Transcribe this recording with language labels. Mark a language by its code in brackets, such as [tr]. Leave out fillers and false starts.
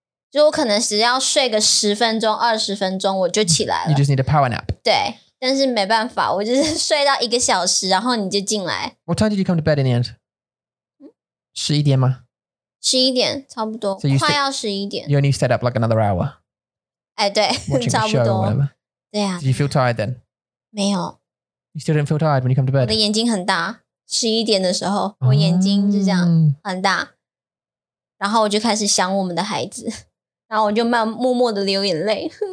[zh] 就我可能只要睡个十分钟、二十分钟，我就起来了。 [en] You just need a power nap. [zh] 对，但是没办法，我就是睡到一个小时，然后你就进来。 [en] What time did you come to bed in the end? [zh] 11:00吗？ 11:00，差不多。 [en] So you [zh] 快要11:00。 [en] You only stayed up like another hour. [zh] 哎，对，差不多。对啊。 [en] Did you feel tired then? [zh] 没有。 [en] You still didn't feel tired when you come to bed? [zh] 我的眼睛很大，11:00的时候，我眼睛就这样很大，然后我就开始想我们的孩子。然后我就慢默默的流眼泪。